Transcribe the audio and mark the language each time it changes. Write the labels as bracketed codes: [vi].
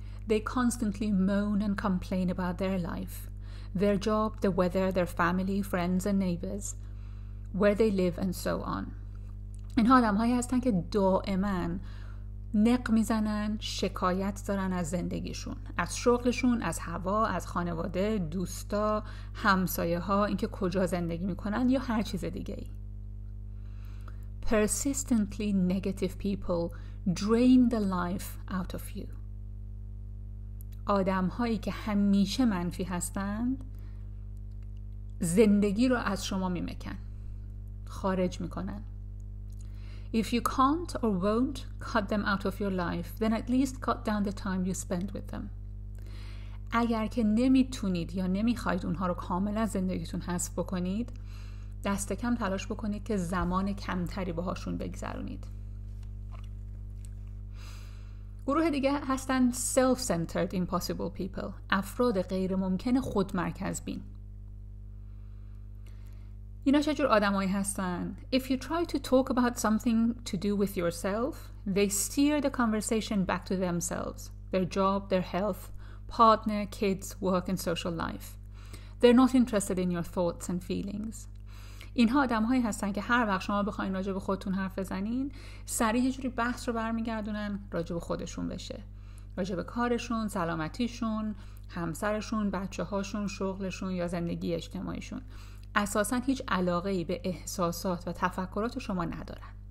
[en] They constantly moan and complain about their life, their job, the weather, their family, friends and neighbors, where they live and so on. [fa] این آدم‌هایی هستن که دائما نق میزنن، شکایت دارن از زندگیشون، از شغلشون، از هوا، از خانواده، دوستا، همسایه ها، اینکه کجا زندگی میکنن یا هر چیز دیگه ای. [en] Persistently negative people drain the life out of you. [fa] آدم هایی که همیشه منفی هستند زندگی رو از شما میمکن، خارج میکنن. [en] If you can't or won't cut them out of your life, then at least cut down the time you spend with them. [fa] اگر که نمیتونید یا نمیخواید اونها رو کاملا زندگیتون حذف بکنید، دست کم تلاش بکنید که زمان کمتری باهاشون بگذرونید. گروه دیگه هستن [en] self-centered impossible people، [fa] افراد غیر ممکن خود مرکز بین. اینا چه جور آدم هایی هستن؟ [en] If you try to talk about something to do with yourself, they steer the conversation back to themselves, their job, their health, partner, kids, work and social life. They're not interested in your thoughts and feelings. [fa] این ها آدم هایی هستن که هر وقت شما بخواین راجع به خودتون حرف بزنین، سریع یه جوری بحث رو برمیگردونن راجع به خودشون بشه. راجع به کارشون، سلامتیشون، همسرشون، بچه هاشون، شغلشون یا زندگی اجتماعیشون. اساساً هیچ علاقه ای به احساسات و تفکرات شما ندارن.